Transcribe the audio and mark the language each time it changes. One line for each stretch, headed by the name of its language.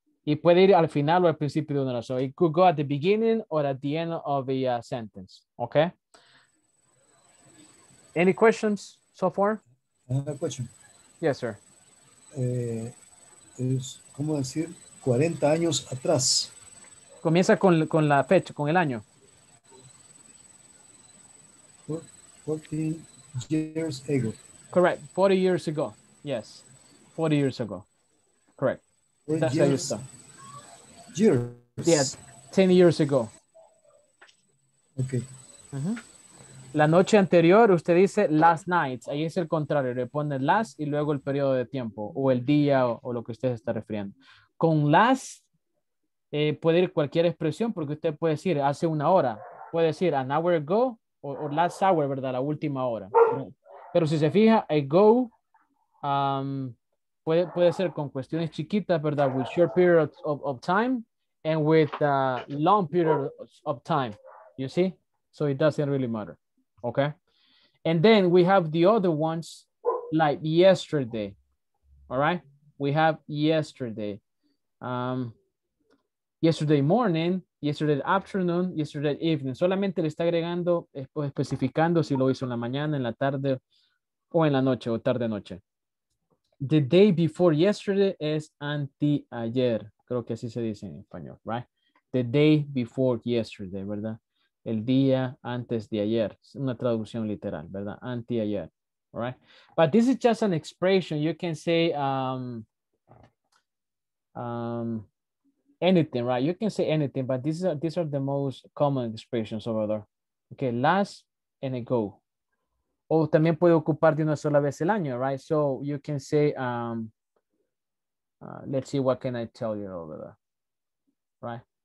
Spanish: Y puede ir al final o al principio de una oración.
English: It could go at the beginning or at the end of a sentence, okay? Any questions so far? Another question. Yes, sir.
Spanish: Es cómo decir 40 años atrás. Comienza con la fecha, con el año.
English: 14 years ago. Correct. 40 years ago. Yes. 40 years ago. Correct. That's years. Years. Yeah. 10 years ago. Okay.
Spanish: La noche anterior, usted dice
English: last night.
Spanish: Ahí es el contrario. Le pone last y luego el periodo de tiempo o el día o lo que usted se está refiriendo. Con last puede ir cualquier expresión porque usted puede decir hace una hora. Puede decir
English: an hour ago
Spanish: o
English: last hour,
Spanish: ¿verdad? La última hora. Pero si se fija, ago puede ser con cuestiones chiquitas, ¿verdad?
English: With short periods of time and with long periods of time. You see? So it doesn't really matter. Okay. And then we have the other ones like yesterday. All right. We have yesterday. Yesterday morning, yesterday afternoon, yesterday evening.
Spanish: Solamente le está agregando, especificando si lo hizo en la mañana, en la tarde o en la noche o tarde noche.
English: The day before yesterday
Spanish: es anteayer. Creo que así se dice en español,
English: right? The day before yesterday,
Spanish: ¿verdad? El día antes de ayer. Es una traducción literal, ¿verdad? Anteayer.
English: All right. But this is just an expression. You can say anything, right? You can say anything, but these are the most common expressions over there. Okay, last and ago.
Spanish: O también puede ocupar de una sola vez el año,
English: right? So you can say, let's see, what can I tell you over there, right?